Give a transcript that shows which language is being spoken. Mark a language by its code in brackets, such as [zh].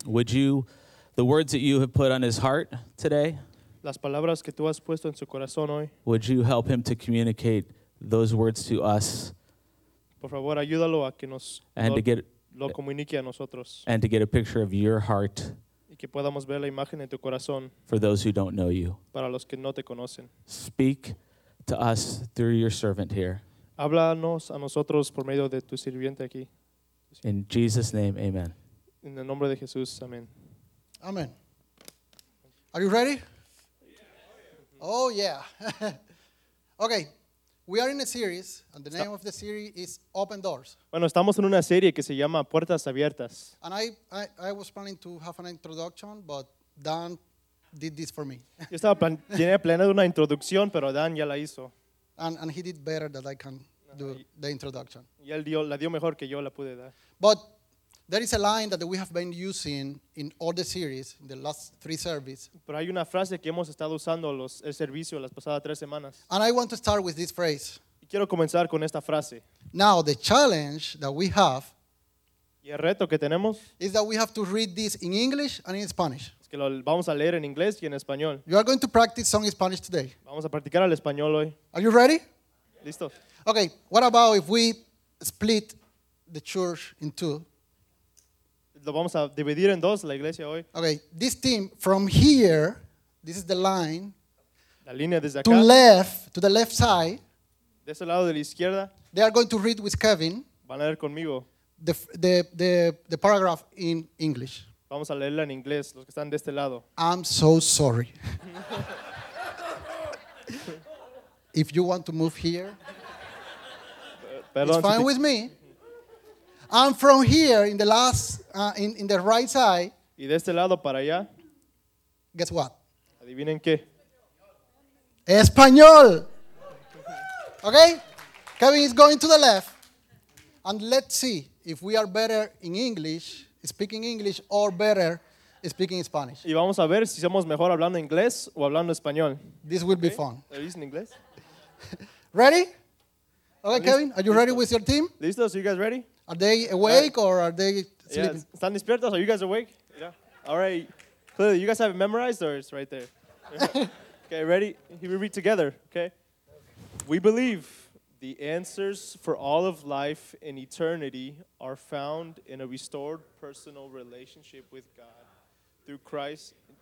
[en] Would you, the words that you have put on his heart today, [es] las palabras que tú has puesto en su corazón hoy, [en] would you help him to communicate those words to us? [es] Por favor, ayúdalo a que nos [en] and [es] lo comunique a nosotros. [en] And to get a picture of your heart. [es] Y que podamos ver la imagen en tu corazón. [en] For those who don't know you. [es] Para los que no te conocen. [en] Speak to us through your servant here. [es] Háblanos a nosotros por medio de tu sirviente aquí. [en] In Jesus' name, amen. [es] En el nombre de Jesús, amén. [en] Amen. Are you ready? Oh, yeah. Okay. We are in a series, and the name of the series is Open Doors. [es] Bueno, estamos en una serie que se llama Puertas Abiertas. [en] And I was planning to have an introduction, but Dan did this for me. [es] Yo estaba planeando una introducción, pero Dan ya la hizo. [en] And he did better that I can do the introduction. [es] Y él dio, la dio mejor que yo la pude dar. [en] But there is a line that we have been using in all the series, in the last 3 services. [es] Pero hay una frase que hemos estado usando el servicio las pasadas 3 semanas. [en] And I want to start with this phrase. [es] Y quiero comenzar con esta frase. [en] Now, the challenge that we have, [es] y el reto que tenemos, [en] is that we have to read this in English and in Spanish. [es] Es que lo vamos a leer en inglés y en español. [en] You are going to practice some Spanish today. [es] Vamos a practicar el español hoy. [en] Are you ready? [es] Listos. [en] Okay, what about if we split the church in two? [es] Lo vamos a dividir en dos la iglesia hoy. [en] Okay, this team from here, this is the line. [es] La línea desde acá. [en] To left, to the left side. [es] De ese lado de la izquierda. [en] They are going to read with Kevin. [es] Van a leer conmigo. [en] The paragraph in English. [es] Vamos a leerla en inglés los que están de este lado. [en] I'm so sorry. If you want to move here. [es] Perdón, [en] it's fine with me. I'm from here in the last in the right side. [es] Y de este lado para allá. [en] Guess what? [es] Adivinen qué. [en] Español. Okay? Kevin is going to the left. And let's see if we are better in English, speaking English, or better speaking Spanish. [es] Y vamos a ver si somos mejor hablando inglés o hablando español. [en] This will be fun. Are you in English? Ready? Okay, Kevin, are you ready with your team? [es] Listos, [en] so you guys ready? Are they awake or are they sleeping? Yeah. [es] Están despiertos? [en] Are you guys awake? Yeah. All right. Clearly, you guys have it memorized or it's right there? Okay, ready? We read together, okay? We believe the answers for all of life and eternity are found in a restored personal relationship with God through Christ.